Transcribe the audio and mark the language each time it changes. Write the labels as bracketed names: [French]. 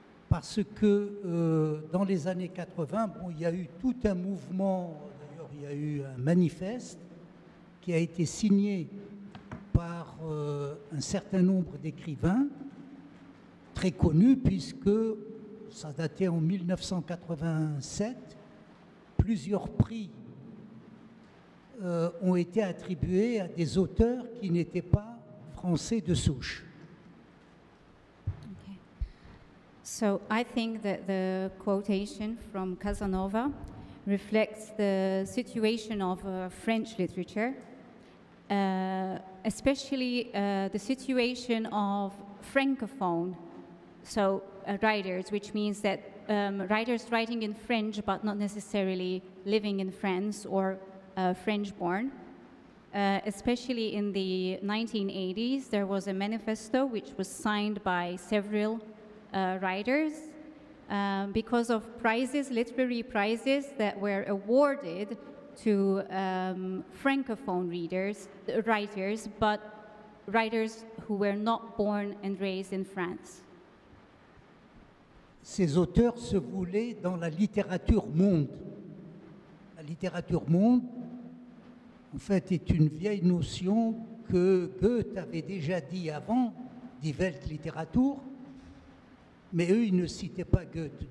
[French] Parce que dans les années 80, bon, il y a eu tout un mouvement, d'ailleurs il y a eu un manifeste qui a été signé par un certain nombre d'écrivains très connus, puisque ça datait en 1987, plusieurs prix ont été attribués à des auteurs qui n'étaient pas français de souche. [English] Okay. So I think that the quotation from Casanova reflects the situation of French literature. Especially the situation of francophone, so writers, which means that writers writing in French but not necessarily living in France or French-born. Especially in the 1980s, there was a manifesto which was signed by several writers because of prizes, literary prizes that were awarded to francophone readers, writers, but writers who were not born and raised in France. [French] Ces auteurs se voulaient dans la littérature monde. La littérature monde, en fait, est une vieille notion que Goethe avait déjà dit avant, Die Weltliteratur, mais eux, ils ne citaient pas Goethe.